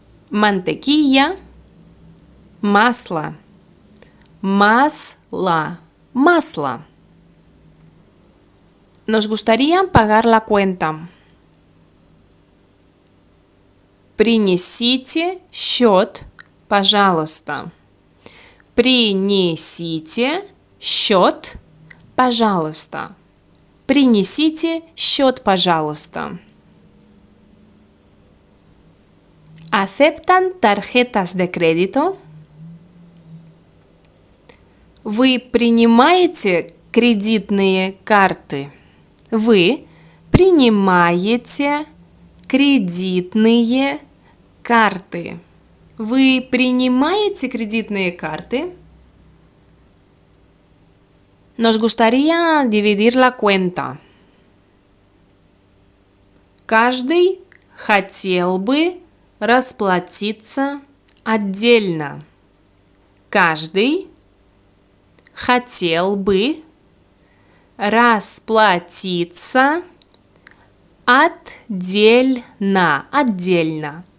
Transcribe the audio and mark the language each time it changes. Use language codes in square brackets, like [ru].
[ru] Мантекилла. Масло. Масло. Масло. [es] Nos gustaría pagar la cuenta. [ru] Принесите счет, пожалуйста. Принесите счет, пожалуйста. Принесите счет, пожалуйста. [es] ¿Aceptan tarjetas de crédito? [ru] Вы принимаете кредитные карты? Вы принимаете кредитные карты? Вы принимаете кредитные карты? [es] Nos gustaría dividir la cuenta. [ru] Каждый хотел бы расплатиться отдельно. Каждый хотел бы расплатиться отдельно. Отдельно.